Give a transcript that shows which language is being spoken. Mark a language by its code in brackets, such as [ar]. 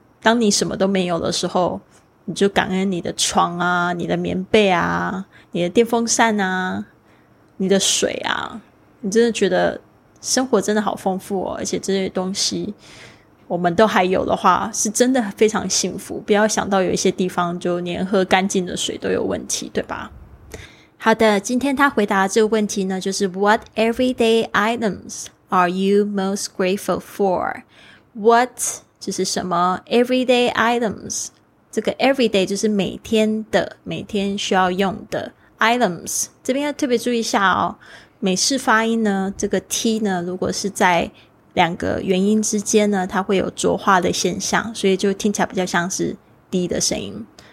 [zh] 当你什么都没有的时候，你就感恩你的床啊，你的棉被啊，你的电风扇啊，你的水啊，你真的觉得生活真的好丰富哦，而且这些东西我们都还有的话是真的非常幸福，不要想到有一些地方就连喝干净的水都有问题对吧。好的，今天他回答这个问题呢就是 [en] What everyday items are you most grateful for? [zh] What 就是什么 everyday items， 这个 everyday 就是每天的，每天需要用的 items， 这边要特别注意一下哦，美式发音呢这个 T 呢如果是在两个元音之间呢它会有浊化的现象，所以就听起来比较像是低的声音。